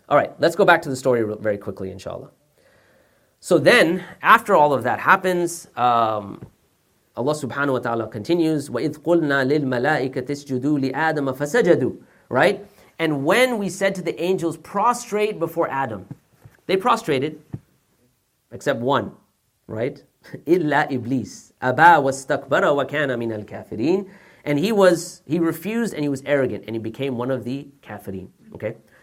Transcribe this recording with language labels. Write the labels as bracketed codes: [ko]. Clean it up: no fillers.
[en] All right, let's go back to the story very quickly, inshallah. So then, after all of that happens, Allah subhanahu wa ta'ala continues, [ar] وَإِذْ قُلْنَا لِلْمَلَائِكَةِ اسْجُدُوا لِآدَمَ فَسَجَدُوا. [en] Right? And when we said to the angels, prostrate before Adam, they prostrated, except one, right? [ar] إِلَّا إِبْلِيس أَبَى وَاسْتَكْبَرَ وَكَانَ مِنَ الْكَافِرِينَ. [en] And he refused and he was arrogant and he became one of the kafirin. Okay?